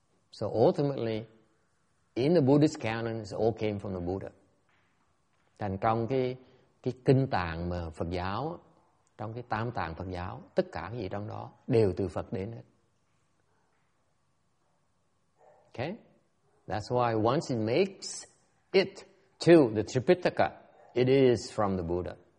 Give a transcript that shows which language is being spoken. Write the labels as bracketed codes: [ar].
[en] So ultimately, in the Buddhist canon, it all came from the Buddha. [vi] Thành trong cái kinh tạng mà Phật giáo, trong cái tam tạng Phật giáo, tất cả cái gì trong đó đều từ Phật đến hết. [en] Okay? That's why once it makes it to the Tripitaka, it is from the Buddha.